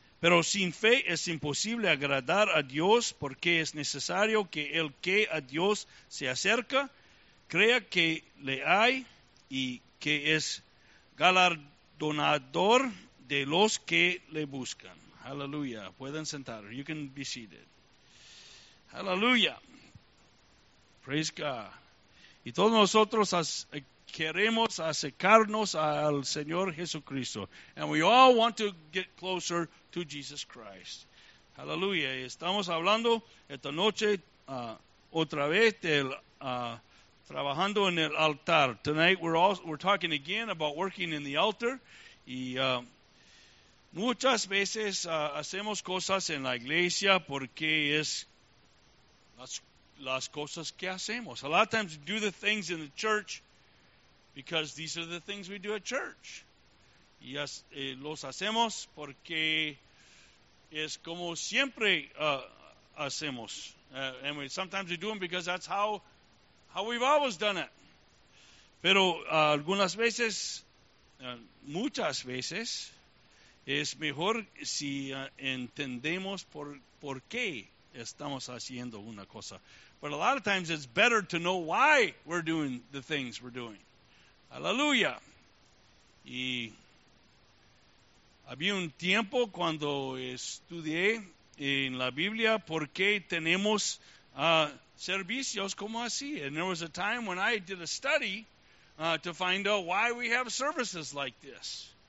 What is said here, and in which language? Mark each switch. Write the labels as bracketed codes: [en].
[es] Pero sin fe es imposible agradar a Dios, porque es necesario que el que a Dios se acerca crea que le hay y que es galardonador de los que le buscan. [en] Hallelujah. [es] Pueden sentar. [en] You can be seated. Hallelujah. Praise God. [es] Y todos nosotros queremos acercarnos al Señor Jesucristo. [en] And we all want to get closer to Jesus Christ. Hallelujah. [es] Estamos hablando esta noche otra vez del trabajando en el altar. [en] Tonight we're talking again about working in the altar. [es] Y muchas veces hacemos cosas en la iglesia porque es las cosas que hacemos. [en] A lot of times we do the things in the church because these are the things we do at church. [es] Y los hacemos porque es como siempre hacemos. [en] And sometimes we do them because that's how we've always done it. [es] Pero algunas veces, muchas veces, es mejor si entendemos por qué estamos haciendo una cosa. [en] But a lot of times it's better to know why we're doing the things we're doing. Hallelujah. [es] Y había un tiempo cuando estudié en la Biblia por qué tenemos servicios como así. [en] And there was a time when I did a study to find out why we have services like this.